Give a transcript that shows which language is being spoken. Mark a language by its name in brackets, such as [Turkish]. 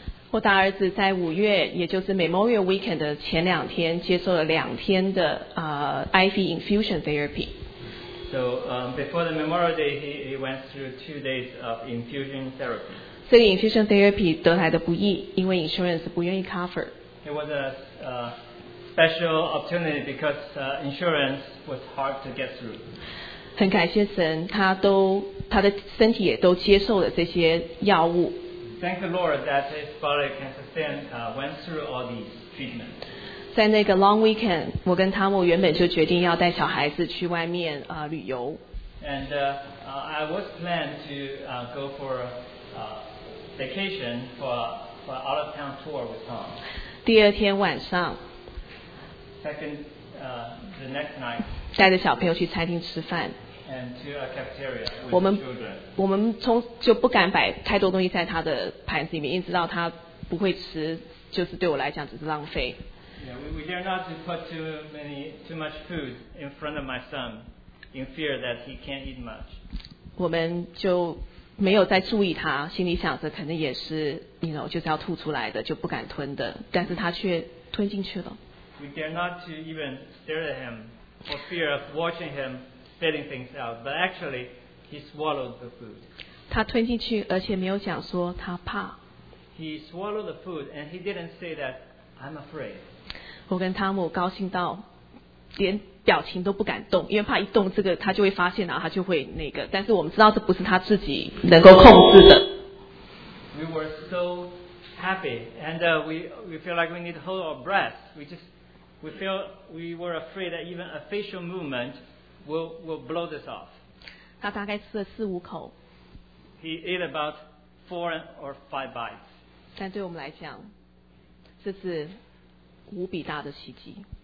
[Chinese] 我大儿子在五月，也就是 Memorial Weekend 的前两天，接受了两天的IV infusion therapy. [English] So before the Memorial Day, he went through 2 days of infusion therapy. [Chinese] 这个 infusion therapy 得来的不易，因为 insurance 不愿意 cover. [English] It was a special opportunity because insurance was hard to get through. [Chinese] 很感谢神，他的身体也都接受了这些药物。 [English] Thank the Lord that his body can sustain went through all these treatments. [Chinese] 在那个 long weekend, 我跟汤姆原本就决定要带小孩子去外面旅游。 [English] And I was planned to go for vacation for out of town tour with Tom. [Chinese] 第二天晚上 [English] Second, the next night, [Chinese] 带着小朋友去餐厅吃饭 [English] and to a cafeteria with [Chinese] 我们从就不敢摆太多东西在他的盘子里面，因为知道他不会吃，就是对我来讲只是浪费。 [English] Yeah, we dare not to put too much food in front of my son in fear that he can't eat much. [Chinese] 我们就没有在注意他，心里想着可能也是 [English] you know, [Chinese] 就是要吐出来的就不敢吞的，但是他却吞进去了。 [English] We dare not to even stare at him for fear of watching him spitting things out, but actually he swallowed the food. [Chinese] 他吞进去而且没有讲说他怕。 [English] he swallowed the food and he didn't say that I'm afraid. [Chinese] 我跟汤姆高兴到连表情都不敢动，因为怕一动这个他就会发现，然后他就会那个。但是我们知道这不是他自己能够控制的。 [English] We were so happy, and we feel like we need to hold our breath. We were afraid that even a facial movement will blow this off. [Chinese] 他大概吃了四五口。 [English] He ate about four or five bites. [Chinese] 但对我们来讲，这是无比大的奇迹。